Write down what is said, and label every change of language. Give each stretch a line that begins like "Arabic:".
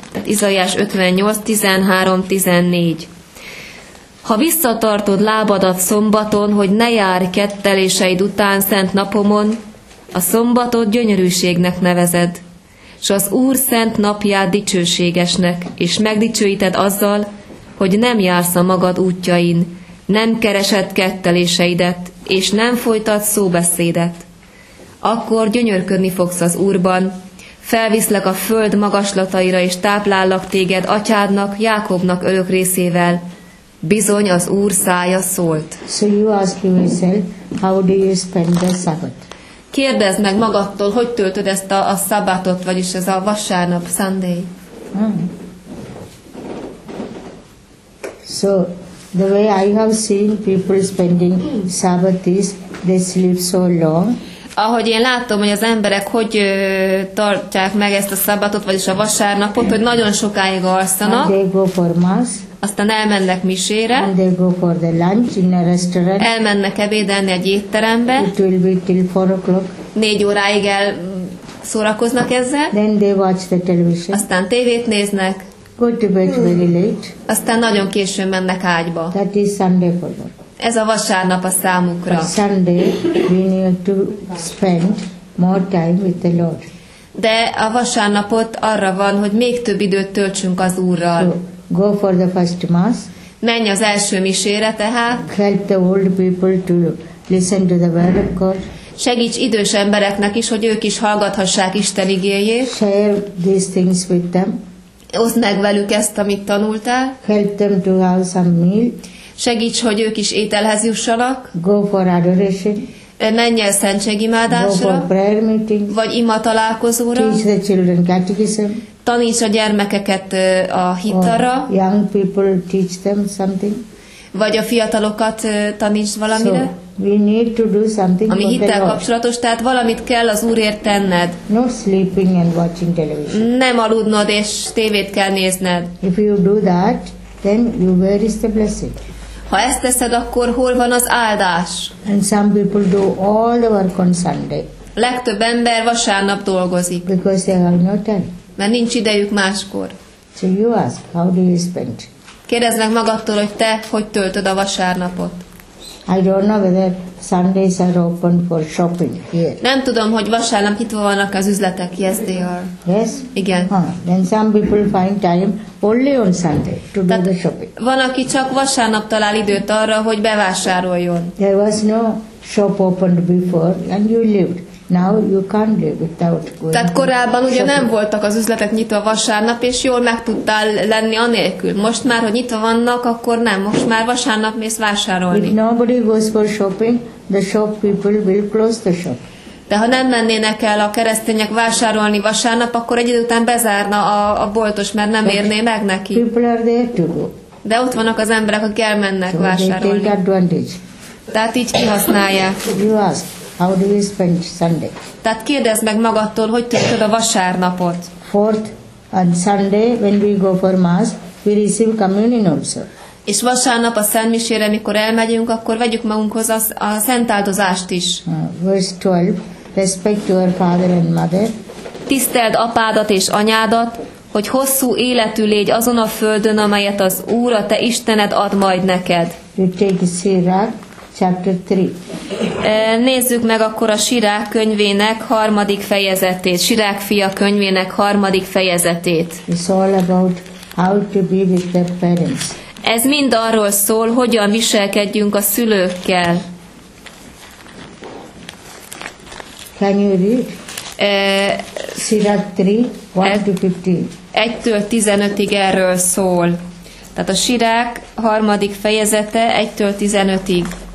Hungarian: Tehát Izaiás 58, 13-14. Ha visszatartod lábadat szombaton, hogy ne járj ketteléseid után szent napomon, a szombatot gyönyörűségnek nevezed, s az Úr szent napját dicsőségesnek, és megdicsőíted azzal, hogy nem jársz a magad útjain, nem keresed ketteléseidet, és nem folytat szóbeszédet. Akkor gyönyörködni fogsz az Úrban, felviszlek a föld magaslataira, és táplállak téged atyádnak, Jákobnak örök részével. Bizony az Úr szája szólt.
English: So you ask yourself, how do you spend the Sabbath?
Hungarian: Kérdezd meg magadtól, hogy töltöd ezt a szabátot, vagyis ez a vasárnap, Sunday.
English: So, the way I have seen people spending Sabbath is, they sleep so long.
Hungarian: Ahogy én látom, hogy az emberek hogy tartják meg ezt a szabatot, vagyis a vasárnapot, hogy nagyon sokáig alszanak.
English: And they go for mass.
Hungarian: Aztán elmennek misére.
English: And they go for the lunch in a restaurant.
Hungarian: Elmennek ebédelni egy étterembe.
English: It will be till 4 o'clock.
Hungarian: 4 óráig el szórakoznak ezzel.
English: Then they watch the television.
Hungarian: Aztán tévét néznek.
English: Go to bed very late.
Hungarian: Aztán nagyon későn mennek ágyba.
English: That is Sunday for them.
Hungarian: Ez a vasárnap a számukra.
English: But Sunday we need to spend more time with the Lord.
Hungarian: De a vasárnapot arra van, hogy még több időt töltsünk az Úrral.
English: So, go for the first mass.
Hungarian: Menj az első misére tehát.
English: Help the old people to listen to the word of God.
Hungarian: Segíts idős embereknek is, hogy ők is hallgathassák Isten igéjét.
English: Share these things with them.
Hungarian: Oszd meg velük ezt, amit tanultál.
English: Help them to have some meal.
Hungarian: Segíts, hogy ők is ételhez jussanak.
English: Go for adoration.
Hungarian: Menj el szentségimádásra.
English: Go for prayer meeting.
Hungarian: Vagy ima találkozóra.
English: Teach the children catechism.
Hungarian: Taníts a gyermekeket a hitarra.
English: Or young people teach them something.
Hungarian: Vagy a fiatalokat taníts valamire.
English: So we need to do something.
Hungarian: Ami hittel kapcsolatos, tehát valamit kell az Úrért tenned.
English: No sleeping and watching television.
Hungarian: Nem aludnod és tévét kell nézned.
English: If you do that, then you, where is the blessing?
Hungarian: Ha ezt teszed, akkor hol van az áldás?
English: And some people do all the work on Sunday.
Hungarian: Legtöbb ember vasárnap dolgozik.
English: Because they have no time.
Hungarian: Mert nincs idejük máskor.
English: So you ask, how do you spend?
Hungarian: Kérdezd meg magadtól, hogy te hogy töltöd a vasárnapot.
English: I don't know whether Sundays are open for shopping here.
Hungarian: Nem tudom, hogy vasárnap nyitva vannak az üzletek.
English: Yes, they are. Yes?
Hungarian: Igen.
English: Then some people find time only on Sunday to do the shopping.
Hungarian: Van, aki csak vasárnap talál időt arra, hogy bevásároljon.
English: There was no shop opened before and you lived. Now you can't live without going.
Hungarian: Tehát korábban ugye nem voltak az üzletek nyitva vasárnap, és jól meg tudtál lenni anélkül. Most már, hogy nyitva vannak, akkor nem. Most már vasárnap mész vásárolni.
English: If nobody goes for shopping, the shop people will close the shop.
Hungarian: De ha nem mennének el a keresztények vásárolni vasárnap, akkor egy idő után bezárna a boltos, mert nem érné meg neki.
English: People are there to go.
Hungarian: De ott vannak az emberek, akik elmennek vásárolni.
English: They take advantage.
Hungarian: Tehát így kihasználják.
English: You ask. How do you spend Sunday?
Hungarian: Tehát kérdezd meg magadtól, hogy töltöd a vasárnapot.
English: Fourth, on Sunday when we go for mass, we receive communion also.
Hungarian: És vasárnap a szentmisére, mikor elmegyünk, akkor vegyük magunkhoz a szentáldozást is.
English: Verse 12. Respect your father and mother.
Hungarian: Tiszteld apádat és anyádat, hogy hosszú életű légy azon a földön, amelyet az Úr, a te Istened ad majd neked.
English: You take a sirak. Chapter 3.
Hungarian: Nézzük meg akkor a Sirák könyvének harmadik fejezetét, Sirák fia könyvének harmadik fejezetét.
English: It's all about how to be with the parents.
Hungarian: Ez mind arról szól, hogyan viselkedjünk a szülőkkel.
English: Can you read? Sirák
Hungarian: 3, 1-15. 1-15-ig erről szól. Tehát a Sirák harmadik fejezete 1-15-ig.